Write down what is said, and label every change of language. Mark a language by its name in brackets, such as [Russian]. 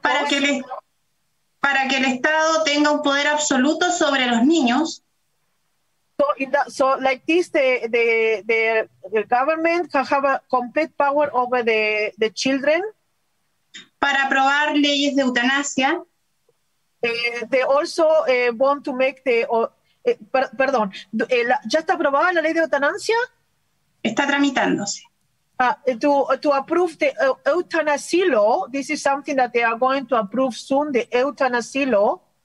[Spanish] para que el Estado tenga un poder absoluto sobre los niños. [English] So like this, the government can have a complete power over the children. [Spanish] Para aprobar leyes de eutanasia. [English] They also want to make the... [Spanish] perdón, ¿ya está aprobada la ley de eutanasia? Está tramitándose. [English] To approve the eutanasia law, this is something that they are going to approve soon, the eutanasia law.